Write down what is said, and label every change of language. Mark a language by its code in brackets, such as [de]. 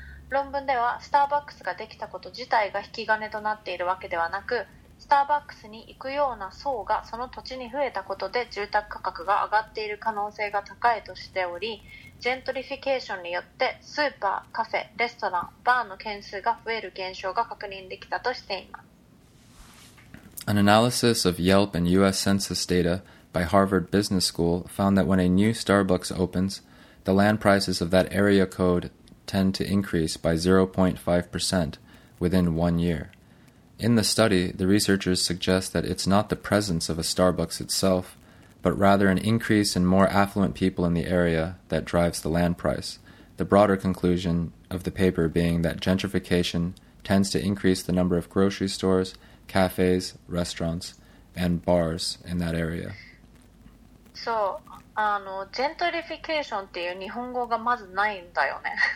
[ja] 論文では、スターバックスができたこと自体が引き金となっているわけではなく、スターバックスに行くような層がその土地に増えたことで住宅価格が上がっている可能性が高いとしており、ジェントリフィケーションによってスーパー、カフェ、レストラン、バーの件数が増える現象が確認できたとしています。 [en] An analysis of Yelp and U.S. Census data by Harvard Business School found that when a new Starbucks opens, the land prices of that area code tend to increase by 0.5% within 1 year. In the study, the researchers suggest that it's not the presence of a Starbucks itself,but rather an increase in more affluent people in the area that drives the land price. The broader conclusion of the paper being that gentrification tends to increase the number of grocery stores, cafes, restaurants, and bars in that area. [ja] So, gentrification っていう日本語がまずないんだよね。